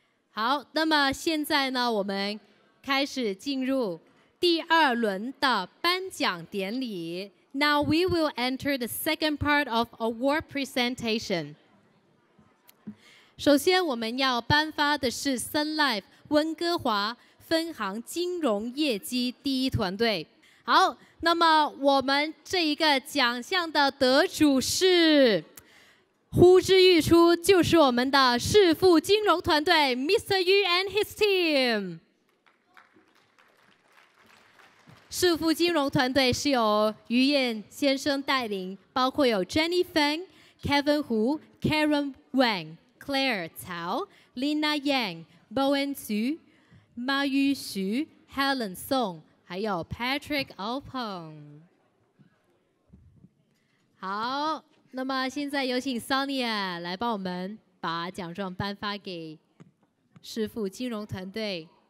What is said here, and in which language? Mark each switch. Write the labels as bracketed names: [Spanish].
[Chinese] 好，那么现在呢，我们开始进入第二轮的颁奖典礼。 [English] Now we will enter the second part of award presentation. [Chinese] 首先我们要颁发的是 Sun Life 温哥华分行金融业绩第一团队。好，那么我们这一个奖项的得主是呼之欲出，就是我们的世富金融团队 Mr. [English] Yu and his team。 [Chinese] 世富金融团队是由于燕先生带领，包括有 Jenny Feng、Kevin Hu、Karen Wang、Claire Cao、Lina Yang、Bowen Zhu、Ma Yu Xu、Helen Song， 还有 Patrick Alpong。好，那么现在有请 Sonia 来帮我们把奖状颁发给世富金融团队。